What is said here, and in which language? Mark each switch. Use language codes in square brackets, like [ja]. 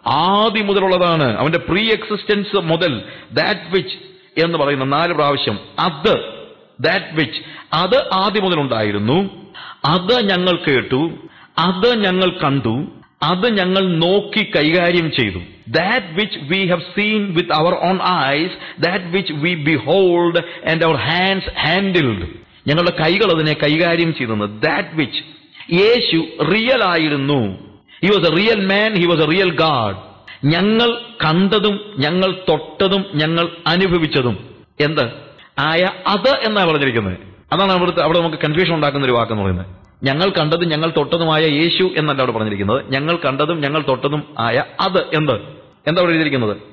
[ml] ആദ്യം മുതലുള്ളതാണ്, അവന്റെ pre existence മുതൽ. [en] that which [ml] എന്ന് പറയുന്ന 4 അത്, ദാറ്റ് വിച്ച്, അത് ആദ്യം മുതലുണ്ടായിരുന്നു, അത് ഞങ്ങൾ കേട്ടു, അത് ഞങ്ങൾ കണ്ടു, അത് ഞങ്ങൾ നോക്കി കൈകാര്യം ചെയ്തു. [en] that which we have seen with our own eyes, that which we behold and our hands handled, [ml] ഞങ്ങളുടെ കൈകൾ അതിനെ കൈകാര്യം ചെയ്തിരുന്നു. [en] that which, [ml] യേശു റിയൽ ആയിരുന്നു. [en] He was a real man, he was a real God. [ml] ഞങ്ങൾ കണ്ടതും ഞങ്ങൾ തൊട്ടതും ഞങ്ങൾ അനുഭവിച്ചതും എന്ത് ആയ അത് എന്നാണ് പറഞ്ഞിരിക്കുന്നത്. അതാണ് അവിടെ നമുക്ക് കൺഫ്യൂഷൻ ഉണ്ടാക്കുന്ന ഒരു വാക്കെന്ന് പറയുന്നത്. ഞങ്ങൾ കണ്ടതും ഞങ്ങൾ തൊട്ടതുമായ യേശു എന്നല്ല അവിടെ പറഞ്ഞിരിക്കുന്നത്. ഞങ്ങൾ കണ്ടതും ഞങ്ങൾ തൊട്ടതും ആയ അത് എന്ത്, എന്താ എഴുതിയിരിക്കുന്നത്?